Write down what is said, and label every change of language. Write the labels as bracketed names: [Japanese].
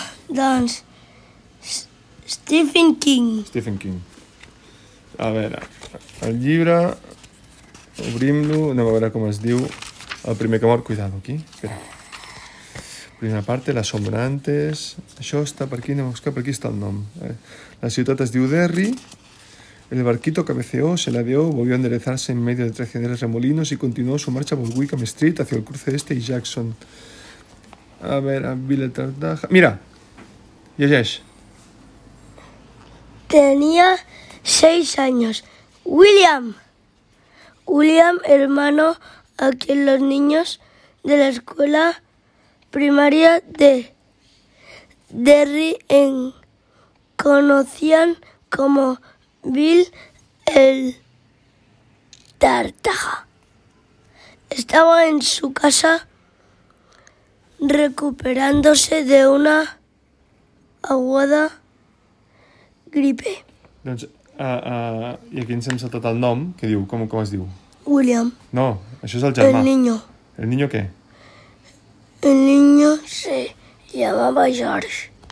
[Catalan] Doncs... Stephen King. Stephen King. A veure... El llibre, obrim-lo, anem a veure com es diu el primer que mor. [Spanish] Cuidado aquí, espera. [Catalan] Primera part, la sombra antes. Això està per aquí, anem a buscar, per aquí està el nom. La ciutat es diu Derry. [Spanish] El barquito cabeceó, se la dio, volvió a enderezarse en medio de traicioneros remolinos y continuó su marcha por Wickham Street hacia el cruce este y Jackson. [Catalan] A ver, a Ville Tardaja. Mira, llegeix. [Spanish] Tenía 6 años. William, hermano a quien los niños de la escuela primaria de Derry conocían como Bill el Tartaja, estaba en su casa recuperándose de una aguda gripe. [Catalan] I aquí ens hem saltat el nom, que diu, com es diu? William. No, això és el germà. [Spanish] El niño. [Catalan] El niño què? [Spanish] El niño se llamava George.